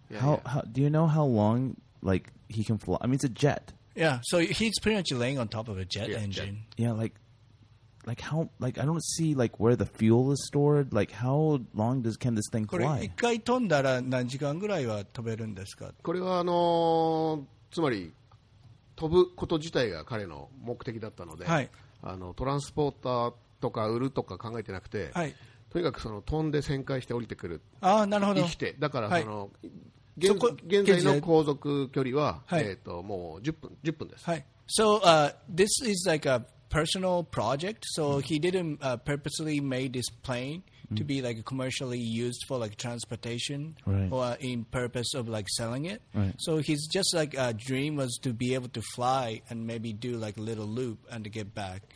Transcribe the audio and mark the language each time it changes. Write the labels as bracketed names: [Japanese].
[English] How do you know how long like he can fly? I mean, it's a jet. Yeah, so he's pretty much laying on top of a jet engine. Jet. Yeah, like how like I don't see like where the fuel is stored. Like how long does can this thing fly? [Japanese] つまり飛ぶこと自体が彼の目的だったので、はい、あのトランスポーターとか売るとか考えてなくて、はい、とにかくその飛んで旋回して降りてくる、あーなるほど、生きて、だからその、はい、現在の航続距離は、はい、もう10分です、はい、 [English] So this is like a personal project. So he didn't purposely made this plane to be like commercially used for like transportation right. or in purpose of like selling it. Right. So he's just like a dream was to be able to fly and maybe do like a little loop and to get back.